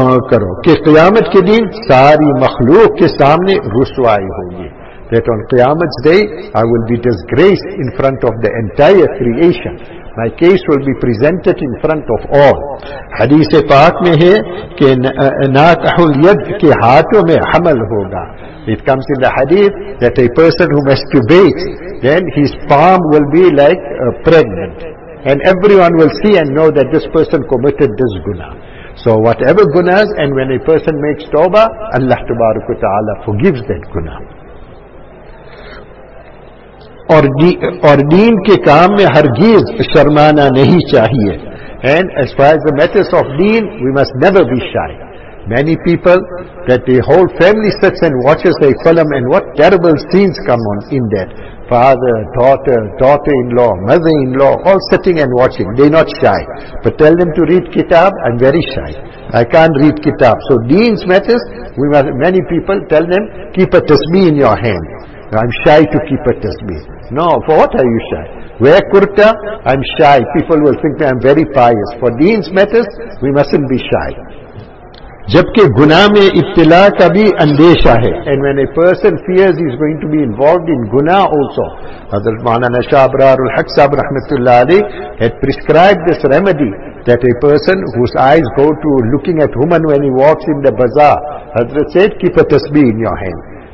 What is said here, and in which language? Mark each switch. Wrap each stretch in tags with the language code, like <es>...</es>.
<ur>کرو کہ قیامت کے دن ساری مخلوق کے سامنے رسوائی ہوگی.</ur> <en>That on قیامت's day I will be disgraced in front of the entire creation. My case will be presented in front of all.</en> <ur>حدیث پاک میں ہے کہ ناکح الید کے ہاتھوں میں حمل ہوگا.</ur> <en>It comes in the hadith that a person who masturbates, then his palm will be like pregnant. And everyone will see and know that this person committed this guna. So whatever gunas, and when a person makes tawbah, Allah tabaraka wa ta'ala forgives that guna.</en> <ur>اور دین کے کام میں ہرگز شرمانا نہیں چاہیے.</ur> <en>And as far as the matters of deen, we must never be shy. Many people, that the whole family sits and watches a film, and what terrible scenes come on in that. Father, daughter, daughter-in-law, mother-in-law, all sitting and watching. They're not shy. But tell them to read kitab, I'm very shy. I can't read kitab. So deen's matters, many people tell them, keep a tasbih in your hand. I'm shy to keep a tasbih. No, for what are you shy? Wear kurta, I'm shy. People will think that I'm very pious. For deen's matters, we mustn't be shy.</en> <ur>جبکہ گناہ میں ابتلا کا بھی اندیشہ ہے.</ur> <en>And when a person fears he is going to be involved in guna also, حضرت مولانا شاہ ابرار الحق صاحب رحمۃ اللہ علیہ had prescribed this remedy that a person whose eyes go to looking at woman when he walks in the bazaar, حضرت said, keep a tasbih in your hand.</en>